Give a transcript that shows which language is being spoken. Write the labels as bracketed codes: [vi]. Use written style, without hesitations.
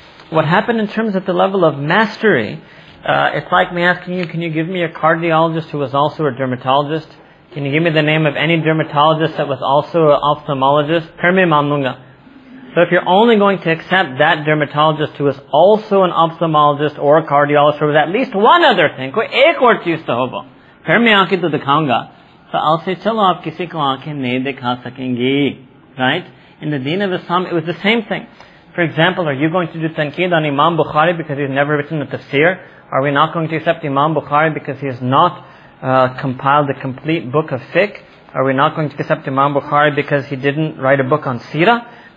[en] What happened in terms of the level of mastery, it's like me asking you, can you give me a cardiologist who was also a dermatologist? Can you give me the name of any dermatologist that was also an ophthalmologist? Perme mamnunga. So if you're only going to accept that dermatologist who is also an ophthalmologist or a cardiologist or with at least one other thing, [ur] کوئی ایک اور چیز تو ہوگا، پھر میں آ کے تو دکھاؤں گا۔ [en] So I'll say, [ur] چلو آپ کسی کو آنکھیں نہیں دکھا سکیں گے۔ [en] Right? In the deen of Islam, it was the same thing. For example, are you going to do tanqeed on Imam Bukhari because he's never written a tafsir? Are we not going to accept Imam Bukhari because he has not compiled the complete book of fiqh? Are we not going to accept Imam Bukhari because he didn't write a book on seerah?